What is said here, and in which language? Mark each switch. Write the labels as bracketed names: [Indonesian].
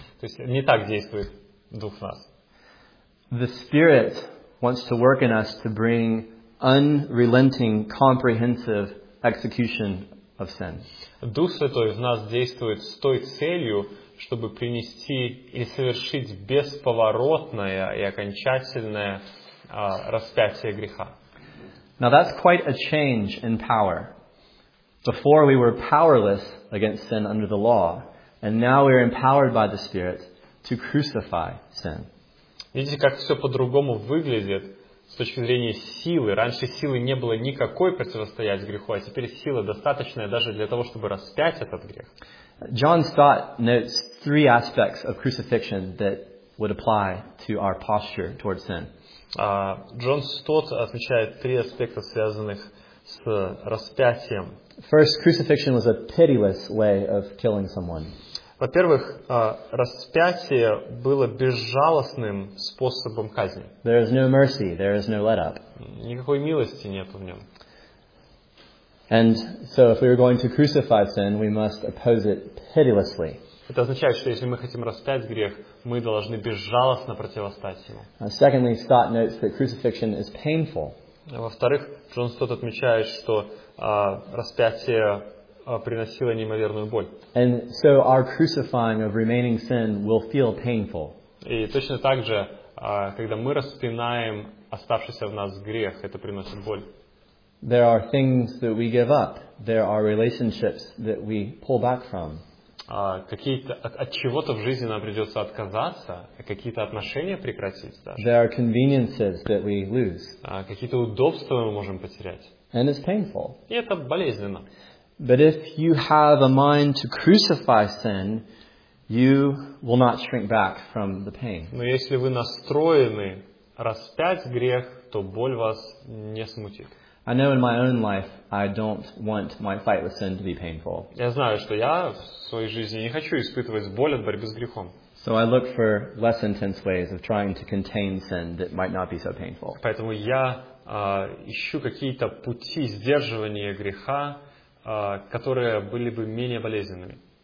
[Russian] То есть не так действует Дух в нас. [English] The Spirit wants to work in us to bring unrelenting, comprehensive execution of sin. [Russian] Дух Святой в нас действует с той целью, чтобы принести и совершить бесповоротное и окончательное распятие греха. [English] Now that's quite a change in power. Before we were powerless against sin under the law, and now we are empowered by the Spirit to crucify sin. [Russian] Видите, как все по-другому выглядит с точки зрения силы. Раньше силы не было никакой противостоять греху, а теперь сила достаточная даже для того, чтобы распять этот грех. [English] John Stott notes three aspects of crucifixion that would apply to our posture towards sin. [Russian] John Stott отмечает три аспекта, связанных с распятием. [English] First, crucifixion was a pitiless way of killing someone. [Russian] Во-первых, распятие было безжалостным способом казни. [English] There is no mercy, there is no let up. [Russian] Никакой милости нет в нем. [English] And so if we are going to crucify sin, we must oppose it pitilessly. [Russian] Это означает, что если мы хотим распять грех, мы должны безжалостно противостать ему. [English] Secondly, Stott notes that crucifixion is painful. [Russian] Во-вторых, Джон Стотт отмечает, что распятие приносило неимоверную боль. [English] And so our crucifying of remaining sin will feel painful. [Russian] И точно так же, когда мы распинаем оставшийся в нас грех, это приносит боль. [English] There are things that we give up. There are relationships that we pull back from. [Russian] От чего-то в жизни нам придется отказаться, какие-то отношения прекратить даже. [English] There are conveniences that we lose. [Russian] Какие-то удобства мы можем потерять. [English] And it's painful. [Russian] И это болезненно. [English] But if you have a mind to crucify sin, you will not shrink back from the pain. [Russian] Но если вы настроены распять грех, то боль вас не смутит. [English] I know in my own life I don't want my fight with sin to be painful. [Russian] Я знаю, что я в своей жизни не хочу испытывать боль от борьбы с грехом. [English] So I look for less intense ways of trying to contain sin that might not be so painful. [Russian] Поэтому я ищу какие-то пути сдерживания греха, которые были бы менее болезненными.